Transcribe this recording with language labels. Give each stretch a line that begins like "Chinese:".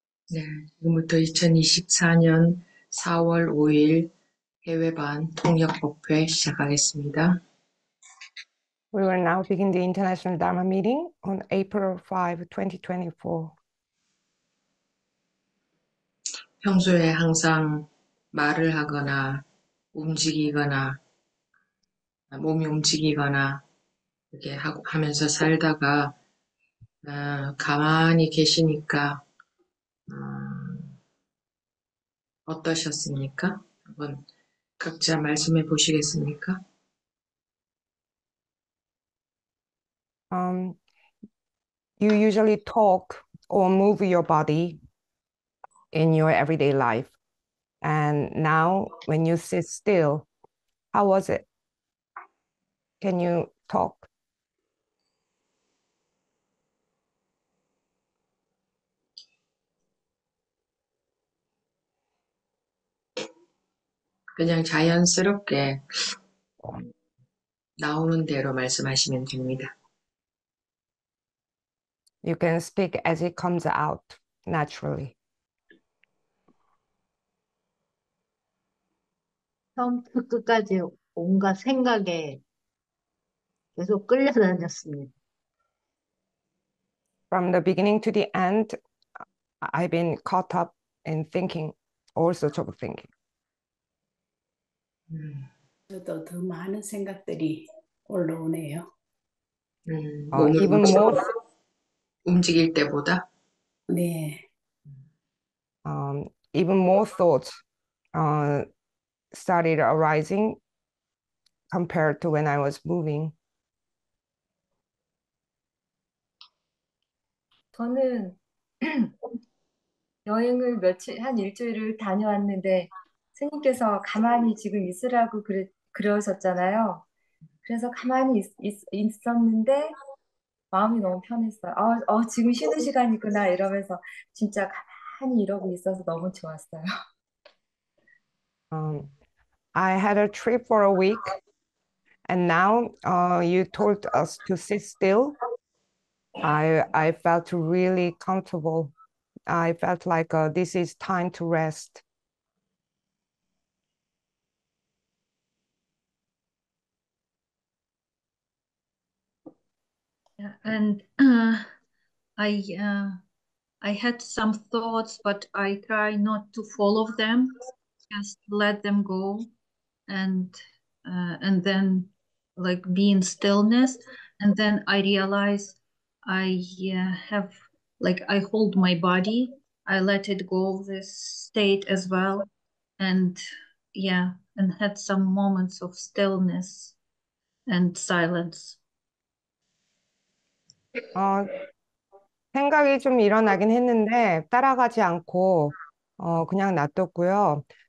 Korean: 네, 지금부터 2024년 4월 5일 해외반 통역법회 시작하겠습니다.
English: We will now begin the International Dharma meeting on April 5, 2024.
Korean: 평소에 항상 말을 하거나 움직이거나 몸이 움직이거나 이렇게 하면서 살다가 가만히 계시니까 어떠셨습니까? 한번 각자 말씀해 보시겠습니까?
English: You usually talk or move your body in your everyday life. And now, when you sit still, how was it? Can you talk?
Korean: 그냥 자연스럽게 나오는 대로 말씀하시면 됩니다.
English: You can speak as it comes out naturally.
Korean: 처음부터 끝까지 온갖 생각에 계속 끌려다녔습니다.
English: From the beginning to the end, I've been caught up in thinking, all sorts of thinking.
Korean: 저도 더 많은 생각들이 올라오네요. 몸을
English: Even more,
Korean: 움직일 때보다 네.
English: even more thoughts started arising compared to when I was moving.
Korean: 저는 여행을 며칠, 한 일주일을 다녀왔는데 스님께서 가만히 지금 있으라고 그러셨잖아요. 그래서 가만히 있었는데 마음이 너무 편했어요. 지금 쉬는 시간이구나 이러면서 진짜 가만히 이러고 있어서 너무 좋았어요.
English: I had a trip for a week, and now you told us to sit still. I felt really comfortable. I felt like this is time to rest. I had some thoughts, but I try not to follow them, just let them go, and then like be in stillness, and then I realize I hold my body, I let it go this state as well, and had some moments of stillness and silence.
Korean: 생각이 좀 일어나긴 했는데, 따라가지 않고, 그냥 놔뒀고요.